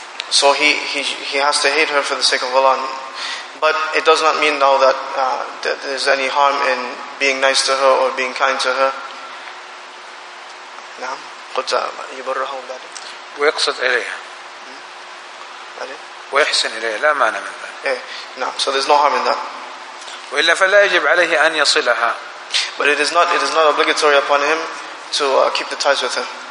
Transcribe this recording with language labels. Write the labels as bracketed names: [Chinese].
[English] So he has to hate her for the sake of Allah. But it does not mean now that there's any harm in being nice to her or being kind to her. [Arabic] نعم قلت يبرها أولاده ويقصد إليها ويحسن إليها لا مانع من ذلك [English] نعم so there's no harm in that [Arabic] وإلا فلا يجب عليه أن يصلها [English] but it is not obligatory upon him to keep the ties with her